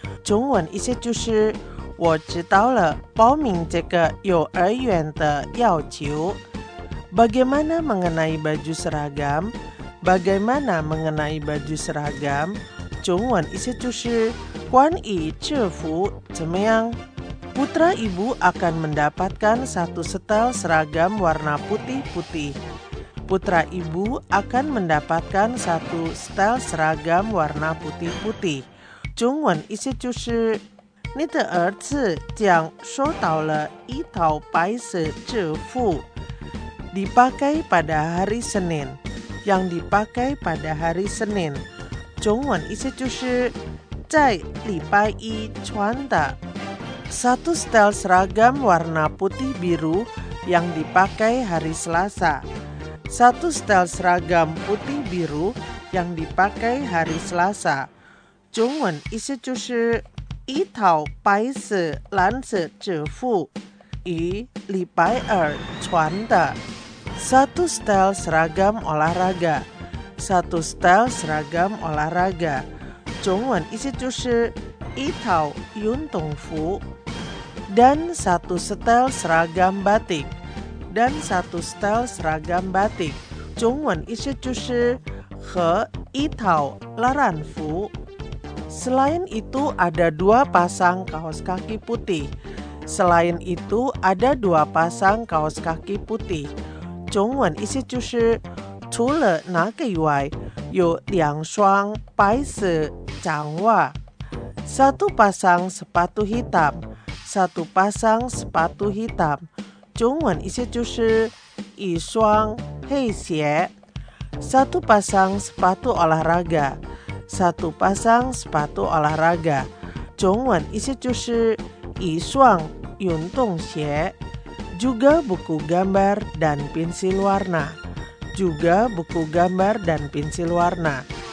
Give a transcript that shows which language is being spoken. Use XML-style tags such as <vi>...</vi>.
<zh>中文意思就是我知道了报名这个幼儿园的要求。</zh> <id>Bagaimana mengenai baju seragam? Bagaimana mengenai baju seragam?</id> <zh>中文意思就是关于制服怎么样？</zh> <id>Putra ibu akan mendapatkan satu setel seragam warna putih-putih. Putra ibu akan mendapatkan satu setel seragam warna putih-putih.</id> <zh>中文意思就是你的儿子将收到了一套白色制服</zh> <id>dipakai pada hari Senin. Yang dipakai pada hari Senin.</id> <zh>中文意思就是在礼拜一穿的。</zh> <id>Satu setel seragam warna putih biru yang dipakai hari Selasa. Satu setel seragam putih biru yang dipakai hari Selasa.</id> <zh>中文意思就是一套白色蓝色制服于礼拜二穿的。</zh> <id>Satu setel seragam olahraga. Satu setel seragam olahraga.</id> <zh>中文意思就是一套运动服。</zh> <id>Dan satu setel seragam batik. Dan satu setel seragam batik.</id> <zh>中文意思就是和一套laran fu.</zh> <id>Selain itu ada dua pasang kaos kaki putih. Selain itu ada dua pasang kaos kaki putih.</id> <zh>中文意思就是除了那个以外有两双白色长袜。</zh> <id>Satu pasang sepatu hitam. Satu pasang sepatu hitam.</id> <zh>中文意思就是一双黑鞋。</zh> <id>Satu pasang sepatu olahraga. Satu pasang sepatu olahraga.</id> <zh>中文意思就是一双运动鞋。</zh> <id>Juga buku gambar dan pensil warna. Juga buku gambar dan pensil warna.</id>